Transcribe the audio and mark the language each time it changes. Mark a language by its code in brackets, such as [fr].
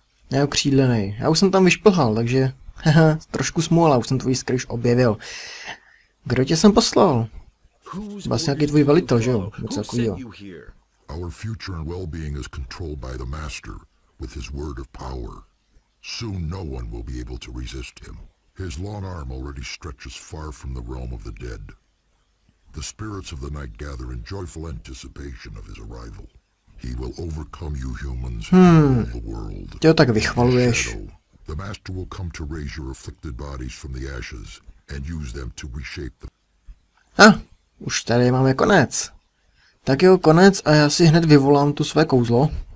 [cs] Neokřídlenej. Já už jsem tam vyšplhal, takže... trošku smůla, už jsem tvůj skryš objevil. Kdo tě sem poslal? Vlastně nějaký tvůj velitel, že jo? Co takovýho? [en] Our future and well-being is controlled by the master with his word of power. Soon no one will be able to resist him. His long arm already stretches far from the realm of the dead. The spirits of the night gather in joyful anticipation of his arrival. He will overcome you humans and the world. [cs] Jo, tak vychvaluješ. [en] The master will come to raise your afflicted bodies from the ashes and use them to reshape the... [cs] Ah, už tady máme konec. Tak jo, konec a já si hned vyvolám tu své kouzlo.